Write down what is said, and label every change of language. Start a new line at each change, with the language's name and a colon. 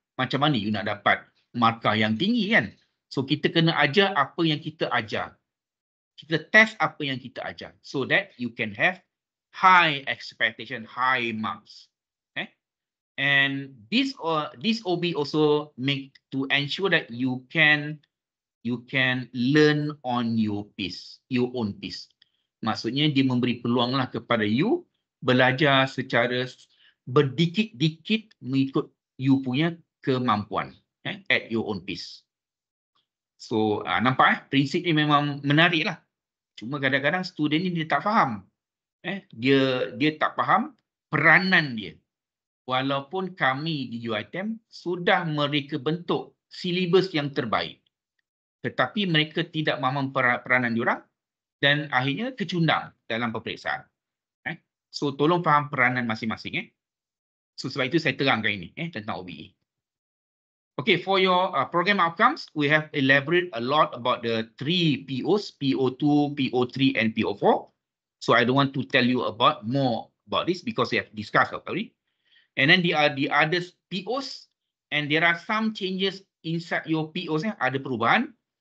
Malay: Macam mana you nak dapat markah yang tinggi kan? So kita kena ajar apa yang kita ajar. Kita test apa yang kita ajar.
English: So that you can have high expectation, high marks. And this OBE also make to ensure that you can learn on your own pace.
Malay: Maksudnya dia memberi peluanglah kepada you belajar secara berdikit-dikit mengikut you punya kemampuan
English: at your own pace.
Malay: So nampak prinsip ni memang menarik lah. Cuma kadang-kadang student ni dia tak faham. Dia tak faham peranan dia. Walaupun kami di UiTM sudah mereka bentuk silibus yang terbaik, tetapi mereka tidak mahu peranan diorang dan akhirnya kecundang dalam peperiksaan. So tolong faham peranan masing-masing. So sebab itu saya terangkan ini tentang OBE.
English: Okay, for your program outcomes, we have elaborated a lot about the 3 POs, PO2, PO3 and PO4. So I don't want to tell you about more about this because we have discussed already. And then there are the other POs, and there are some changes inside your POs,
Malay: ada perubahan.